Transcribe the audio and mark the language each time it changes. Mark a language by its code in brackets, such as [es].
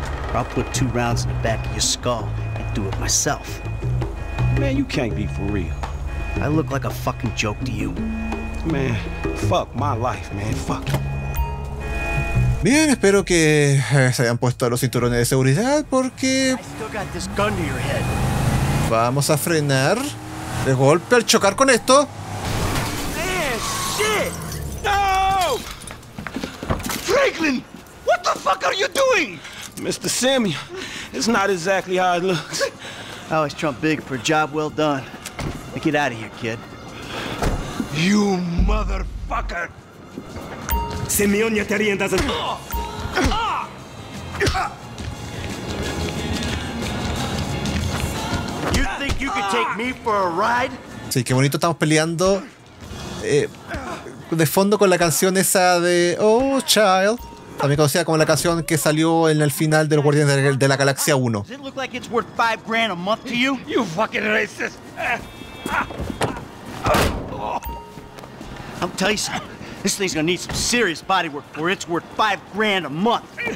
[en] Or I'll put two rounds in the back of your skull and do it myself. Man, you can't be for real. I look like a fucking joke to you. Man, fuck my life, man. Fuck. [es] Bien, espero que se hayan puesto los cinturones de seguridad porque... [en] I still got this gun to your head. [es] Vamos a frenar de golpe al chocar con esto. [en] Man, shit! No! Franklin! What the fuck are you doing? Mr. Sammy, it's not exactly how it looks. I always trump big for a job well done. Now get out of here, kid. You motherfucker! Simeon Yaterian doesn't... You think you could take me for a ride? [es] Sí, qué bonito estamos peleando. De fondo con la canción esa de... Oh, child. También conocida como la canción que salió en el final del Guardián de la Galaxia 1. [en] Does it look like it's worth $5,000 a month to you? You fucking racist. I'll tell you something. This thing's gonna need some serious bodywork before it's worth $5,000 a month.